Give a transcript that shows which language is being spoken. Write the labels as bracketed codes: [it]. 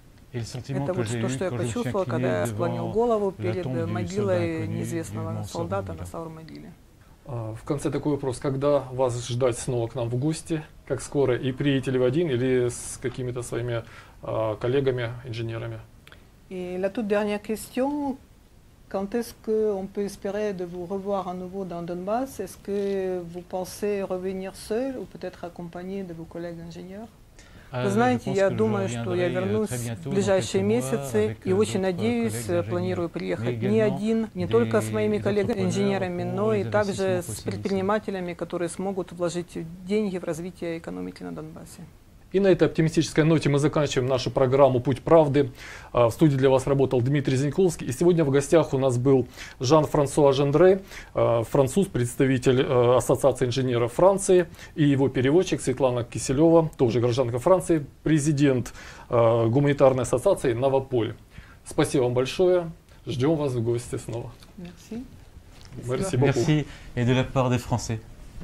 [ru] Это вот то, что я почувствовал, когда я склонил голову перед могилой неизвестного солдата на Сару могиле. В конце такой вопрос. Когда вас ждать снова к нам в гости? Как скоро? И приедете ли вы один или с какими-то своими коллегами, инженерами? [fr] И la toute dernière question. Quand est-ce qu'on peut espérer de vous revoir à nouveau dans Donbass? Est-ce que vous pensez revenir seul ou peut-être accompagné de vos collègues ingénieurs? [ru] Вы знаете, я думаю, что я вернусь в ближайшие месяцы и очень надеюсь, планирую приехать не один, не только с моими коллегами-инженерами, но и также с предпринимателями, которые смогут вложить деньги в развитие экономики на Донбассе. И на этой оптимистической ноте мы заканчиваем нашу программу «Путь правды». В студии для вас работал Дмитрий Зиньковский. И сегодня в гостях у нас был Жан-Франсуа Жендре, француз, представитель Ассоциации инженеров Франции, и его переводчик Светлана Киселева, тоже гражданка Франции, президент гуманитарной ассоциации «Новополь». Спасибо вам большое. Ждем вас в гости снова. [fr] Merci. Merci beaucoup. Merci. Et de la part des Français.